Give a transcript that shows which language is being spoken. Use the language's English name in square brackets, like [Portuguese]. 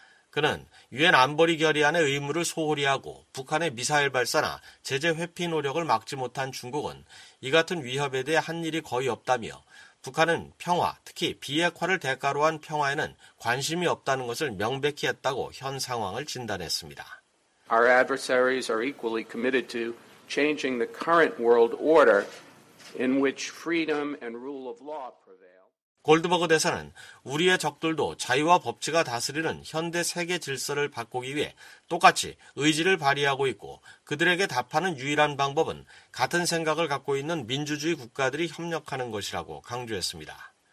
[Korean] 그는 유엔 안보리 결의안의 의무를 소홀히 하고 북한의 미사일 발사나 제재 회피 노력을 막지 못한 중국은 이 같은 위협에 대해 한 일이 거의 없다며 북한은 평화, 특히 비핵화를 대가로 한 평화에는 관심이 없다는 것을 명백히 했다고 현 상황을 진단했습니다. [English] Our adversaries are equally committed to changing the current world order in which freedom and rule of law prevail. [Korean] 골드버그 대사는 우리의 적들도 자유와 법치가 다스리는 현대 세계 질서를 바꾸기 위해 똑같이 의지를 발휘하고 있고 그들에게 답하는 유일한 방법은 같은 생각을 갖고 있는 민주주의 국가들이 협력하는 것이라고 강조했습니다.